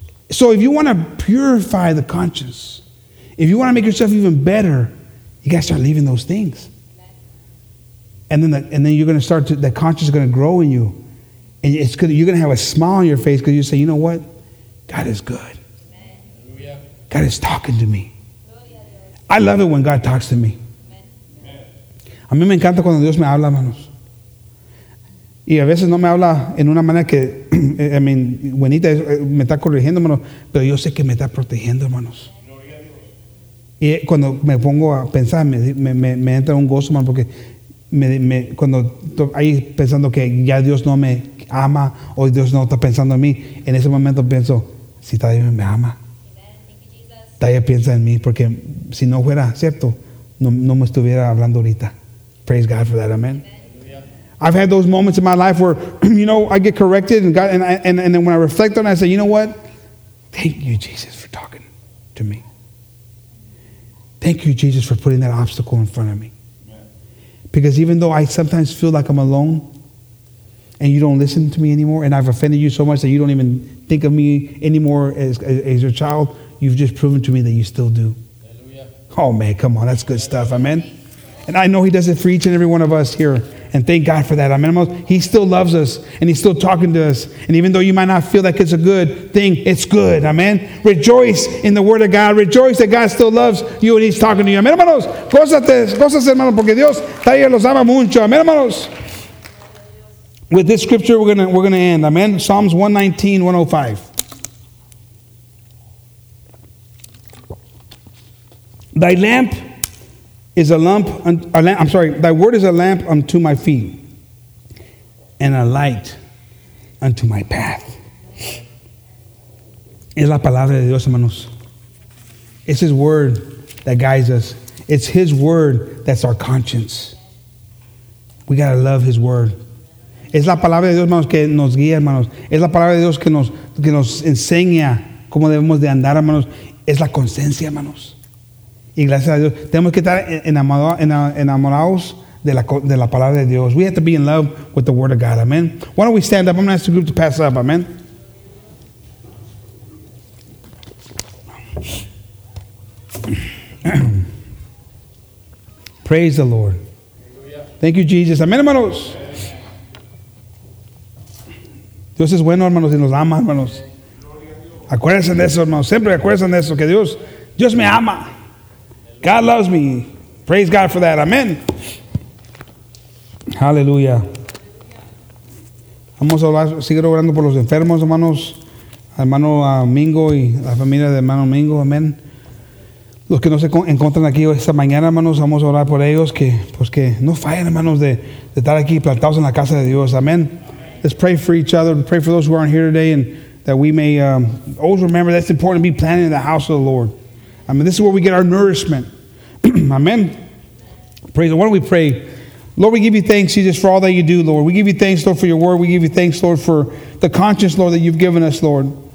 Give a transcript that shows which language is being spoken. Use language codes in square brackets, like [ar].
[en] So if you want to purify the conscience, if you want to make yourself even better, you got to start leaving those things. And then you're going to start to, the conscience is going to grow in you. And it's good. You're going to have a smile on your face because you say, you know what? God is good. Amen. God is talking to me. I love it when God talks to me. [es] A mí me encanta cuando Dios me habla, hermanos. Y a veces no me habla en una manera que, I mean, buenita, me está corrigiendo, hermanos, pero yo sé que me está protegiendo, hermanos. Y cuando me pongo a pensar, me entra un gozo, hermano, porque cuando estoy ahí pensando que ya Dios no me ama o Dios no está pensando en mí, en ese momento pienso, si todavía me ama, todavía piensa en mí, porque si no fuera cierto, no me estuviera hablando ahorita. [en] Praise God for that, amen. Amen. I've had those moments in my life where, you know, I get corrected and God, and then when I reflect on it, I say, you know what? Thank you, Jesus, for talking to me. Thank you, Jesus, for putting that obstacle in front of me. Because even though I sometimes feel like I'm alone and you don't listen to me anymore and I've offended you so much that you don't even think of me anymore as your child, you've just proven to me that you still do. Hallelujah. Oh, man, come on. That's good stuff. Amen. And I know he does it for each and every one of us here. And thank God for that. I mean, he still loves us, and he's still talking to us. And even though you might not feel like it's a good thing, it's good. Amen. Rejoice in the word of God. Rejoice that God still loves you, and he's talking to you. [es] Amen, hermanos. Cosas, hermanos, porque Dios todavía los ama mucho. [en] Amen, hermanos. With this scripture, we're gonna end. Amen. Psalms 119, 105. Thy lamp is a lamp, thy word is a lamp unto my feet and a light unto my path. [es] Es la palabra de Dios, hermanos. It's his word that guides us. [en] It's his word that's our conscience. We got to love his word. [es] Es la palabra de Dios, hermanos, que nos guía, hermanos. Es la palabra de Dios que nos enseña cómo debemos de andar, hermanos. Es la conciencia, hermanos. Y gracias a Dios, tenemos que estar enamorados de la palabra de Dios. [en] We have to be in love with the word of God. Amen. Why don't we stand up? I'm going to ask the group to pass up. Amen. Praise the Lord. Thank you, Jesus. Amen, hermanos. [es] Dios es bueno, hermanos, y nos ama, hermanos. Acuérdense de eso, hermanos. Siempre acuérdense de eso, que Dios me ama. [en] God loves me. Praise God for that. Amen. Hallelujah. Vamos a orar. [es] Sigue orando por los enfermos, hermanos. Hermano Mingo y la familia de hermano Mingo. Amen. Los que no se encuentran aquí esta mañana, hermanos, vamos a orar por ellos. Que no fallen, hermanos, de estar aquí plantados en la casa de Dios. [en] Amen. Let's pray for each other. Pray for those who aren't here today. And that we may always remember that it's important to be planted in the house of the Lord. I mean, this is where we get our nourishment. Amen. Praise the Lord. Why don't we pray? Lord, we give you thanks, Jesus, for all that you do, Lord. We give you thanks, Lord, for your word. We give you thanks, Lord, for the conscience, Lord, that you've given us, Lord.